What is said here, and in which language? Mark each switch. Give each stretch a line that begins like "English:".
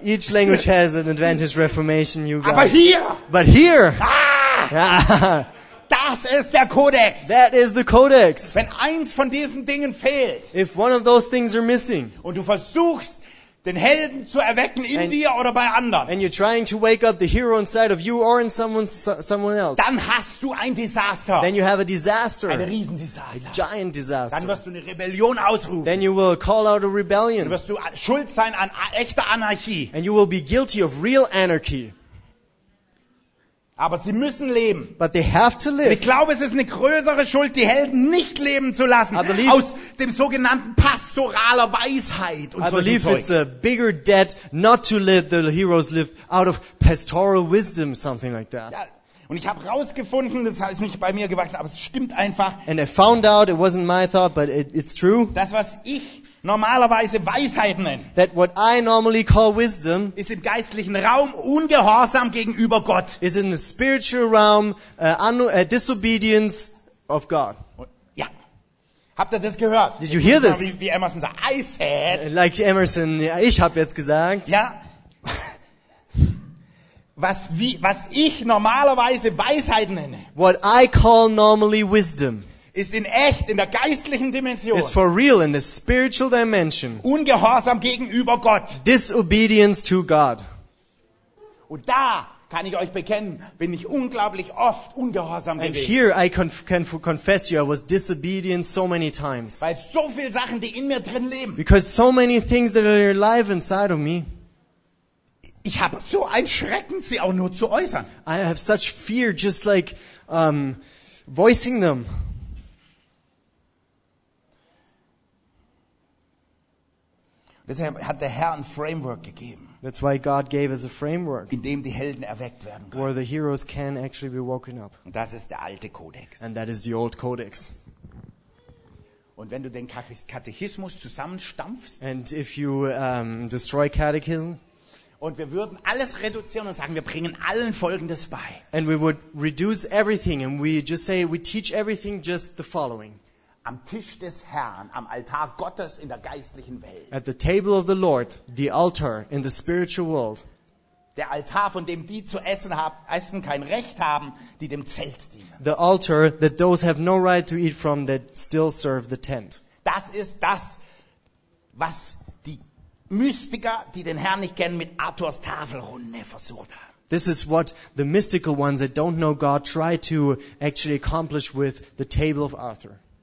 English: Each language has an advantage. Reformation, you got.
German: Aber hier.
English: But here.
German: Ah. Ja. Das ist der Codex.
English: That is the Codex.
German: Wenn eins von diesen Dingen fehlt.
English: If one of those things are missing.
German: Und du versuchst, den Helden zu erwecken in dir oder bei anderen.
English: And you're trying to wake up the hero inside of you or in someone else.
German: Dann hast du ein Desaster.
English: Then you have a disaster.
German: Ein Riesendesaster.
English: A giant disaster.
German: Dann wirst du eine Rebellion ausrufen.
English: Then you will call out a rebellion.
German: Dann wirst du schuld sein an echter Anarchie.
English: And you will be guilty of real anarchy.
German: Aber sie müssen leben.
English: But they have to live.
German: Ich glaube, es ist eine größere Schuld, die Helden nicht leben zu lassen.
English: Believe,
German: aus dem sogenannten pastoraler Weisheit und
English: so weiter. I believe it's a bigger debt not to let the heroes live out of pastoral wisdom, something like that.
German: Ja, und ich habe rausgefunden, das ist nicht bei mir gewachsen, aber es stimmt einfach.
English: And I found out, it wasn't my thought, but it's true.
German: Das, was ich normalerweise Weisheit nennen.
English: That what I normally call wisdom
German: ist im geistlichen Raum ungehorsam gegenüber Gott.
English: Is in the spiritual realm disobedience of God.
German: Ja. Habt ihr das gehört?
English: Did you hear this?
German: Wie Emerson sagt,
English: I said. Like Emerson,
German: ja, ich habe jetzt gesagt. Ja. Was ich normalerweise Weisheit nenne.
English: What I call normally wisdom.
German: Ist in echt in der geistlichen Dimension.
English: Is for real in the spiritual dimension.
German: Ungehorsam gegenüber Gott.
English: Disobedience to God.
German: Und da kann ich euch bekennen, bin ich unglaublich oft ungehorsam
English: And
German: gewesen.
English: And here I confess you, I was disobedient so many times.
German: Weil so viele Sachen, die in mir drin leben.
English: Because so many things that are alive inside of me.
German: Ich habe so ein Schrecken, sie auch nur zu äußern.
English: I have such fear, just like voicing them.
German: Deshalb hat der Herr ein Framework gegeben.
English: That's why God gave us a framework.
German: In dem die Helden erweckt werden können.
English: Where the heroes can actually be woken up.
German: Und das ist der alte Kodex.
English: And that is the old codex.
German: Und wenn du den Katechismus zusammenstampfst.
English: And if you destroy catechism.
German: Und wir würden alles reduzieren und sagen, wir bringen allen Folgendes bei.
English: And we would reduce everything and we just say we teach everything just the following.
German: Am Tisch des Herrn, am Altar Gottes in der geistlichen Welt.
English: At the table of the Lord, the altar in the spiritual world.
German: Der Altar, von dem die zu essen kein Recht haben, die dem Zelt dienen.
English: The altar that those have no right to eat from that still serve the tent.
German: Das ist das, was die Mystiker, die den Herrn nicht kennen, mit Arthurs Tafelrunde versucht haben.
English: This is what the mystical ones that don't know God try to actually accomplish with the table of Arthur.